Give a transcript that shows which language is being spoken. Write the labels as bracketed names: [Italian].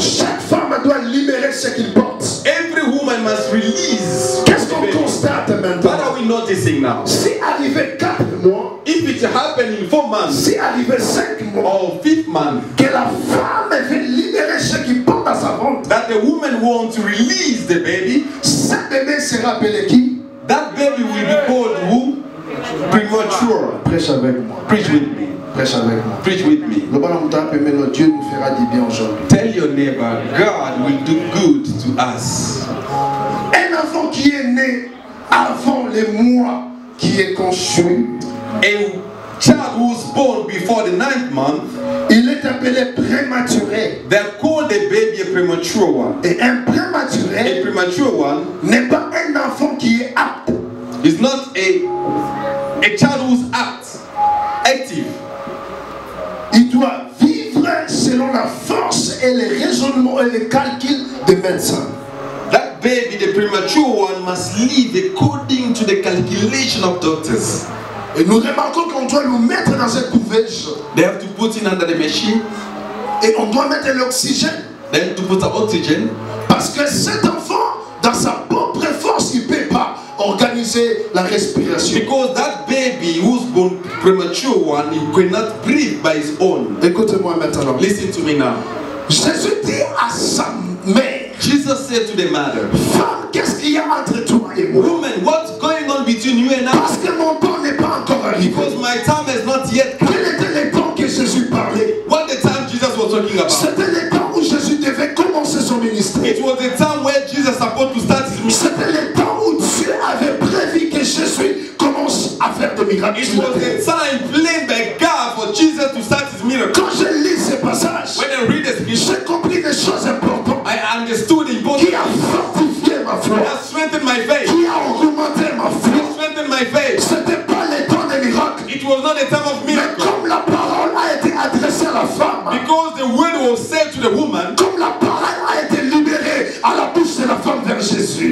[French] chaque femme doit libérer ce qu'il porte. [English] Every woman must release. [French] Qu'est-ce qu'on constate maintenant? [English] What are we noticing now? [French] Si arrivé 4 mois, [English] if it it happened in 4 months, [French] si arrivé 5 mois, [English] or 5 months, [French] que la femme veut libérer ce qui pend dans sa ventre, [English] that the woman wants to release the baby, [French] ce bébé sera appelé qui? [English] That baby will be called who? Premature. [French] Prêche avec moi. [English] Preach with me. [French] Prêche avec moi. [English] Preach with me. [French] Le bon amour t'aime, mais notre Dieu nous fera du bien aujourd'hui. [English] Tell your neighbor, God will do good to us. [French] Un enfant qui est né avant le mois qui est conçu. [English] A child was born before the 9th month. [French] Il est appelé prématuré. [English] They call the baby a premature one. [French] Et un prématuré. [English] A premature one. [French] N'est pas un enfant qui est apte. [English] It's not a child who's active. [French] Il doit vivre selon la force et les raisonnements et les calculs des médecins. [English] That baby, the premature one, must live according to the calculation of doctors. [French] Et nous remarquons qu'on doit le mettre dans cette couveuse. [English] They have to put it under the machine. [French] Et on doit mettre l'oxygène. [English] They have to put the oxygen. [French] Parce que cet enfant, dans sa propre force, il peut pas organiser la respiration. [English] Because that baby who's born premature one, he cannot breathe by his own. [French] Écoutez-moi maintenant. [English] Listen to me now. [French] Jésus dit à sa mère. [English] Jesus said to the mother. [French] Femme, qu'est-ce qu'il y a entre toi et moi? [English] Woman, what's going on between you and I? [French] Parce que mon temps n'est pas encore arrivé. [English] Because my time has not yet come. [French] Quel était le temps que Jésus parlait? [English] What the time Jesus was talking about? [French] C'était le temps où Jésus devait commencer son ministère. [English] It was the time where Jesus was supposed to start his ministry. [French] C'était le temps où Dieu avait prévu que Jésus commence à faire des miracles. [English] It was the time planned by God for Jesus to start his miracle. [French] Quand je lis ce passage, [English] when I read this speech, [French] j'ai compris des choses importantes. [English] I understood important. [French] Qui a fortifié ma foi? [English] He has strengthened my faith. [French] Qui a augmenté ma foi? [English] He has strengthened my faith. [French] C'était pas le temps des miracles. [English] It was not the time of miracles. [French] Mais comme la parole a été adressée à la femme, [English] because the word was said to the woman, [French] comme la parole a été libérée à la bouche de la femme vers Jésus,